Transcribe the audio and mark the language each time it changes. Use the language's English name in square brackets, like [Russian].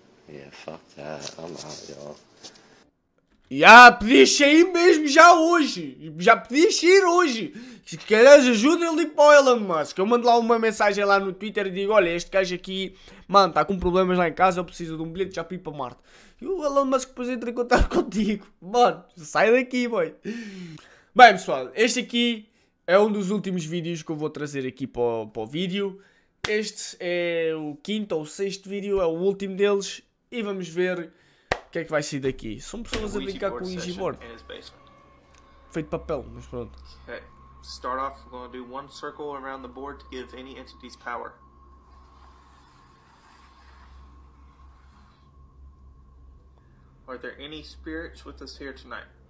[English] Yeah, fuck that. I'm out, y'all. [Portuguese] Podias sair mesmo já hoje. Já podias sair hoje. Se queres ajuda, eu ligo para o Elon Musk. Eu mando lá uma mensagem lá no Twitter e digo: olha, este gajo aqui, mano, está com problemas lá em casa, eu preciso de um bilhete já para ir para Marte. E o Elon Musk depois entra em contato contigo. Mano, sai daqui, boy. Bem, pessoal, este aqui é um dos últimos vídeos que eu vou trazer aqui para o vídeo. Este é o quinto ou sexto vídeo, é o último deles. E vamos ver o que é que vai sair daqui. São pessoas a brincar com o Ouija board. Feito de papel, mas pronto. Ok. [English] Start off, we're going to do one circle around the board to give any entities power. Are there any spirits with us here tonight?